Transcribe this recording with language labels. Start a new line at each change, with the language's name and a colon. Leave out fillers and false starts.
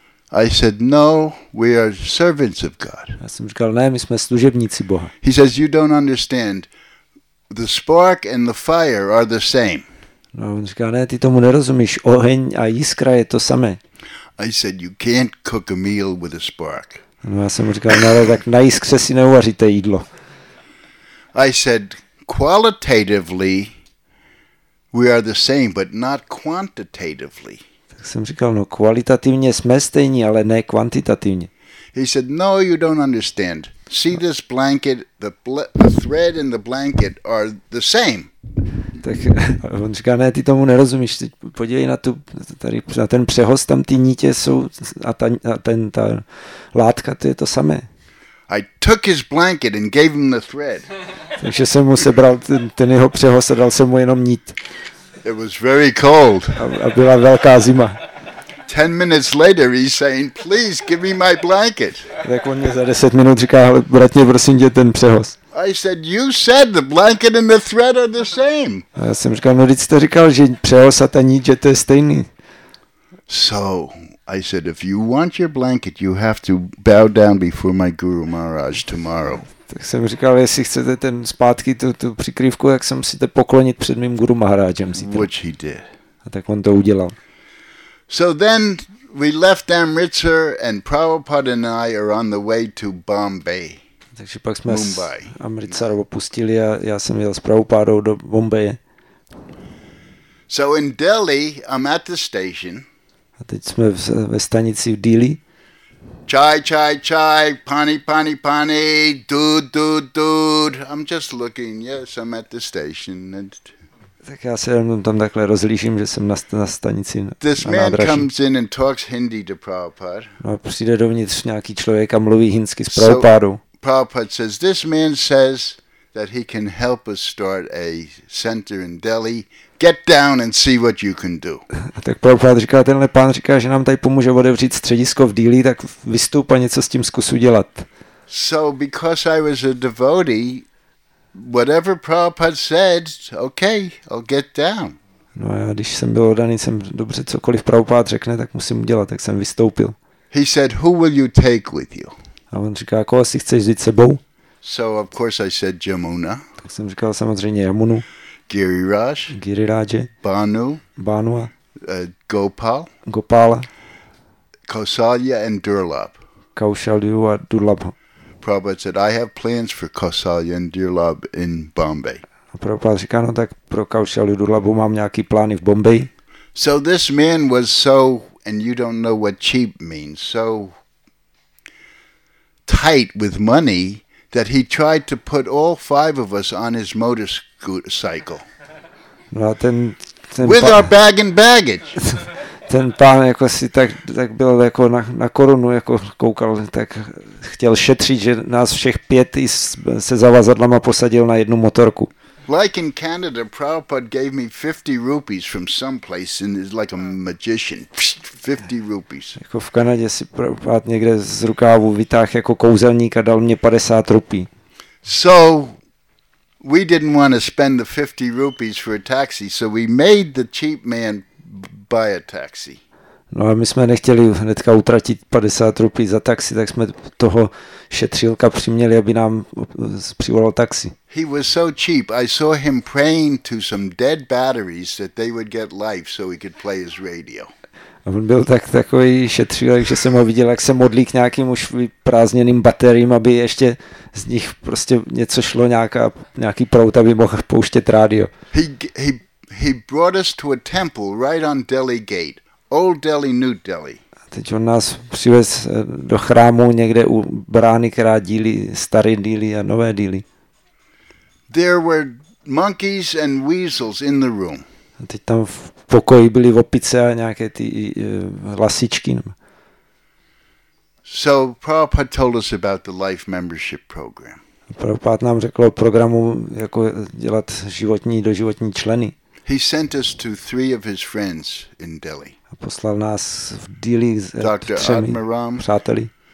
English: I said, "No, we are servants of God."
Czech: Já jsem říkal, ne, my jsme služebníci Boha.
English: He says, "You don't understand. The spark and the fire are the same."
Czech: No, on říká, ne, ty tomu nerozumíš. Oheň a jiskra je to samé.
English: I said, "You can't cook a meal with a spark."
Czech: No, já jsem říkal, ne, tak na jiskře si neuvaříte jídlo.
English: I said, "Qualitatively, we are the same, but not quantitatively."
Czech: Tak jsem říkal, no, kvalitativně jsme stejní, ale ne kvantitativně.
English: He said, "No, you don't understand. See this blanket, the thread in the blanket are the same."
Czech: Tak on říká, ne, ty tomu nerozumíš. Teď podívej na tu tady na ten přehoz, tam ty nítě jsou a ta látka, to je to samé.
English: I took his blanket and gave him the thread.
Czech: Takže jsem mu sebral ten jeho přehoz a dal jsem mu jenom nít.
English: It was very cold.
Czech: A byla velká zima.
English: 10 minutes later, he's saying, "Please give me my blanket."
Czech: Tak on mě za 10 minut říká, vrať mě prosím tě ten přehoz.
English: I said, "You said the blanket and the thread are the same."
Czech: A já jsem říkal, no, když jste říkal, že přehoz a ta nít, že to je stejný.
English: So I said, "If you want your blanket, you have to bow down before my Guru Maharaj tomorrow."
Czech: Tak jsem říkal, jestli chcete ten zpátky tu přikrývku, jak se musíte poklonit před mým Guru Maharajem zítra.
English: Which he did.
Czech: A tak on to udělal.
English: So then we left Amritsar and Prabhupada and I are on the way to Bombay.
Czech: Takže pak jsme Amritsar opustili a já jsem jel s Prabhupádou do Bombaje.
English: So in Delhi, I'm at the station.
Czech: A teď jsme ve stanici v Delhi.
Hindi: Chai, chai, chai, pani, pani, pani, dude, dude, dude.
English: I'm just looking, yes, I'm at the station.
Czech: Tak já se jenom tam takhle rozlížím, že jsem na stanici na nádraží.
English: This man comes in and talks Hindi to Prabhupada.
Czech: No a přijde dovnitř nějaký člověk a mluví hindsky s Prabhupádou.
English: So Prabhupada says, "This man says that he can help us start a center in Delhi. Get down and see what you can do."
Czech: A tak Prabhupada říká, tenhle pán říká, že nám tady pomůže otevřít středisko v Delhi, tak vystup a něco s tím zkus udělat.
English: So because I was a devotee, whatever Prabhupada said, okay, I'll get down.
Czech: No a já, když jsem byl oddaný, jsem dobře, cokoliv Prabhupada řekne, tak musím udělat, tak jsem vystoupil.
English: He said, "Who will you take with you?"
Czech: A on říká, koho si chceš vzít sebou?
English: So of course I said Jamuna.
Czech: Tak jsem říkal samozřejmě Jamunu.
English: Giriraj,
Czech: Giriraje,
English: Banu, Gopal,
Czech: Gopala,
English: Kausalya and Durlabh. Kausalya and Durlabh. Prabhupada said, "I have plans for Kausalya and Durlabh in Bombay."
Czech: Prabhupada říká, no tak pro Kausalya Durlabhu mám nějaký plány v Bombay.
English: So this man was so, and you don't know what cheap means, so tight with money that he tried to put all five of us on his motorcycle.
Czech: No ten
English: with our bag and baggage.
Czech: Ten pán jako si tak byl jako na korunu jako koukal, tak chtěl šetřit, že nás všech pět se zavazadlama posadil na jednu motorku.
English: Like in Canada, Prabhupada gave me 50 rupees from some place and is like a magician. 50 rupees.
Czech: Jako v Kanadě si Prabhupada někde z rukávu vytáhl jako kouzelník a dal mě 50 rupí.
English: So we didn't want to spend the 50 rupees for a taxi, so we made the cheap man buy a taxi.
Czech: No a my jsme nechtěli hnedka utratit 50 rupí za taxi, tak jsme toho šetřilka přiměli, aby nám přivolal taxi.
English: He was so cheap. I saw him praying to some dead batteries that they would get life so he could play his radio.
Czech: A on byl takový šetřilek, že jsem ho viděl, jak se modlí k nějakým už vyprázdněným bateriím, aby ještě z nich prostě něco šlo, nějaký prout, aby mohl pouštět rádio.
English: He brought us to a temple right on Delhi gate. Old Delhi, New Delhi.
Czech: A teď on nás přivez do chrámu někde u brány, která dílí staré díly a nové díly.
English: There were monkeys and weasels in the room.
Czech: A teď tam v pokoji byly opice a nějaké ty hlasičky.
English: So Prabhupada told us about the life membership program.
Czech: Prabhupada nám řekl o programu, jako dělat životní doživotní členy.
English: He sent us to three of his friends in Delhi.
Czech: A poslal nás v Delhi s třemi Admiram, přáteli.